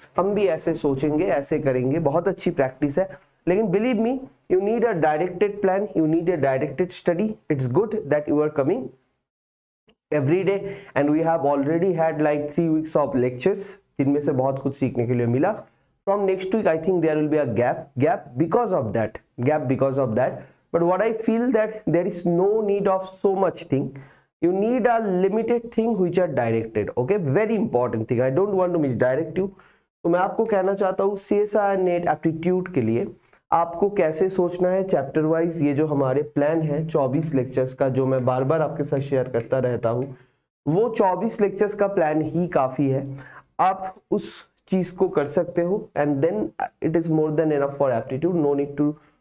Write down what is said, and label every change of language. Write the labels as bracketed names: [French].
[Hindi] हम भी ऐसे सोचेंगे, ऐसे करेंगे. बहुत अच्छी प्रैक्टिस है. लेकिन [English] Believe me, you need a directed plan, you need a directed study. It's good that you are coming every day and we have already had like 3 weeks of lectures [Hindi] जिनमें से बहुत कुछ सीखने के लिए मिला. [English] From next week I think there will be a gap because of that. But what I feel that there is no need of so much thing. You need a limited thing which are directed. Okay, very important thing. I don't want to misdirect you. [Hindi] तो मैं आपको कहना चाहता हूँ CSIR net aptitude के लिए आपको कैसे सोचना है चैप्टर वाइज. ये जो हमारे प्लान है 24 लेक्चर्स का जो मैं बार बार आपके साथ शेयर करता रहता हूँ, वो 24 लेक्चर्स का प्लान ही काफ़ी है. आप उस चीज़ को कर सकते हो [English] And then it is more than enough for aptitude. No need to